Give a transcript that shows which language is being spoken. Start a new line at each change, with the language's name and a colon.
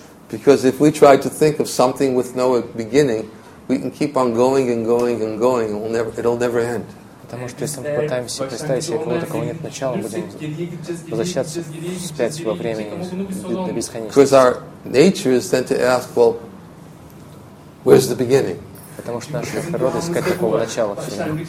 English: Because if we try to think of something with no beginning, we can keep on going and going and going, it'll never end.
Russian: Потому что если мы пытаемся представить себе кого-то, у кого нет начала, будем возвращаться вспять во времени до бесконечности.
English: Because our nature is then to ask, well, where's the beginning?
Russian: Потому что наша природа искать такого начала всегда.